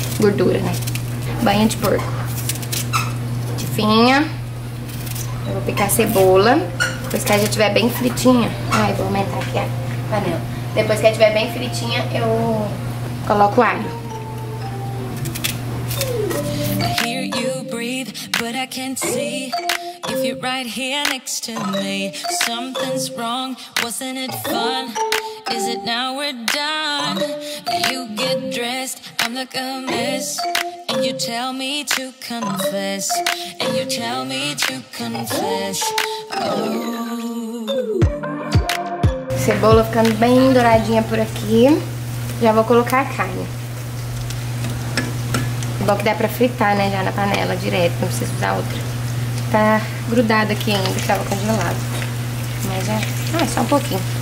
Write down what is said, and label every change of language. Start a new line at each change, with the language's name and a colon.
Portuguese: Gordura, né? Banha de porco. Finha. Eu vou picar a cebola. Depois que ela já estiver bem fritinha. Ai, vou aumentar aqui a panela. Depois que ela estiver bem fritinha, eu coloco o alho.
English: Hear you breathe, but I can't see. If you're right here next to me, something's wrong. Wasn't it fun? Is it now we're done? You get dressed, I'm like a mess. And you tell me to confess. And you tell me to confess. Oh.
Portuguese: Cebola ficando bem douradinha por aqui. Já vou colocar a carne. É bom que dá pra fritar, né? Já na panela direto, não precisa usar outra. Tá grudado aqui ainda, que tava congelado. Mas é. Ah, só um pouquinho.